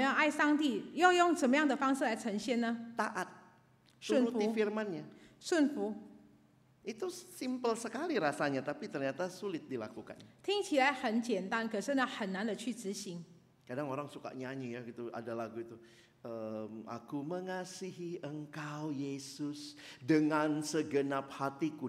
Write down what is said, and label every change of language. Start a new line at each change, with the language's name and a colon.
Chinese: 如果刚刚我们听到上帝爱我们，现在我们要爱上帝，要用什么样的方式来呈现呢？
Indonesian: Taat,
Chinese: 顺服,
Indonesian: turuti firman-Nya.
Chinese: 顺服。
Indonesian: Itu simple sekali rasanya, tapi ternyata sulit dilakukan.
Chinese: 听起来很简单，可是呢很难的去执行。
Indonesian: Kadang orang suka nyanyi ya gitu, ada lagu itu. Aku mengasihi engkau Yesus dengan segenap hatiku.